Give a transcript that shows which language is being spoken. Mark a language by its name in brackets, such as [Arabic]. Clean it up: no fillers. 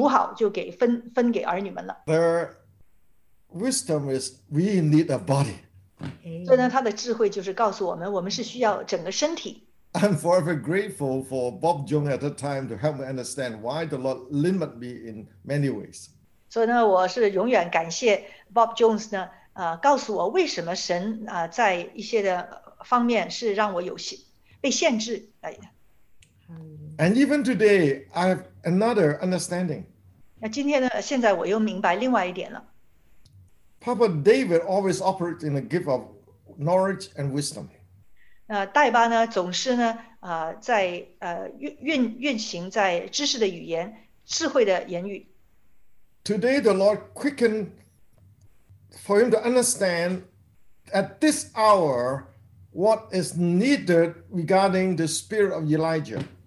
[Chinese] 就是呢，先知带回来给你的东西，那你就预备好，比如说他给你的那个鹌鹑呢，你就把它呢弄好就可以呢，煮好就给分给儿女们了。 [English] Their wisdom is we need a body. [Chinese] 所以呢，他的智慧就是告诉我们，我们是需要整个身体。 [English] I'm forever grateful for Bob Jung at the time to help me understand why the Lord limited me in many ways. [Chinese] 所以呢，我是永远感谢 Bob Jones呢，告诉我为什么神在一些的方面是让我有被限制。 [English] And even today, I have another understanding. [Chinese] 那今天呢，现在我又明白另外一点了。 [English] Papa David always operates in the gift of knowledge and wisdom. [Chinese] 戴巴呢，总是呢，在运行在知识的语言、智慧的言语。 [English] Today the Lord quickened for him to understand at this hour what is needed regarding the spirit of Elijah.